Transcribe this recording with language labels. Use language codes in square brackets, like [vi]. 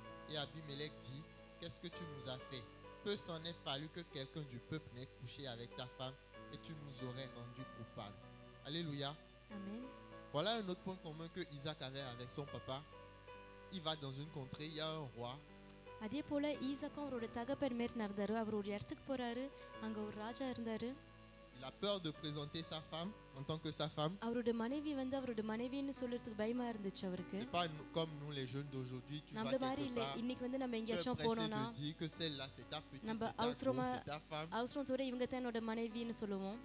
[fr] Et Abimélec dit, qu'est-ce que tu nous as fait? Peu s'en est fallu que quelqu'un du peuple n'ait couché avec ta femme et tu nous aurais rendu coupables. Alléluia. Amen. Voilà un autre point commun que Isaac avait avec son papa. il va dans une contrée, il y a un roi. [ta] அதே போல ஈசாக்கும் அவரோட தகப்பன் மேல் நடந்தாரு அவரோட இடத்துக்கு போறாரு அங்க ஒரு ராஜா இருந்தாரு [fr] Il a peur de présenter sa femme en tant que sa femme. C'est pas comme nous les jeunes d'aujourd'hui, tu vas quelque part, tu es pressé de dire que celle-là c'est ta petite, c'est ta femme.